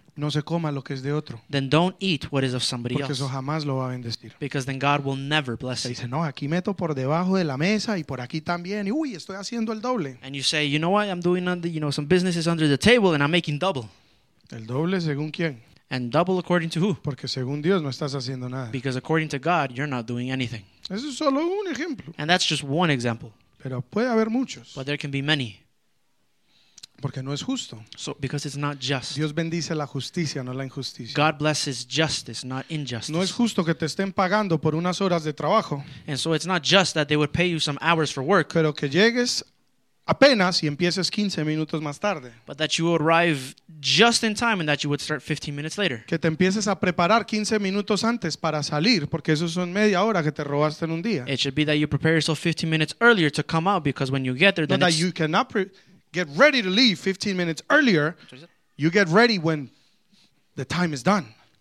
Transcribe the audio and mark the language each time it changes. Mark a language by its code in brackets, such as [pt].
[es] No se coma lo que es de otro. [en] Then don't eat what is of somebody [es] Porque [en] else. [es] Porque eso jamás lo va a bendecir. [en] Because then God will never bless [es] dice, Dice, no, aquí meto por debajo de la mesa y por aquí también. Y uy, estoy haciendo el doble. [en] And you say, you know what, I'm doing some businesses under the table and I'm making double. [es] El doble según quién. [en] And double according to who. [es] Porque según Dios no estás haciendo nada. [en] Because according to God, you're not doing anything. [es] Eso es solo un ejemplo. [en] And that's just one example. [es] Pero puede haber muchos. [en] But there can be many. [es] Porque no es justo. [en] So, because it's not just. [es] Dios bendice la justicia, no la injusticia. [en] God blesses justice, not injustice. [es] No es justo que te estén pagando por unas horas de trabajo. [en] And so it's not just that they would pay you some hours for work. [es] Pero que llegues apenas y empieces 15 minutos más tarde. [en] But that you arrive just in time and that you would start 15 minutes later. [es] Que te empieces a preparar 15 minutos antes para salir, porque eso son media hora que te robaste en un día. [en] It should be that you prepare yourself 15 minutes earlier to come out, because when you get there, then it's... that you cannot get ready to leave 15 minutes earlier. You get ready when the time is done.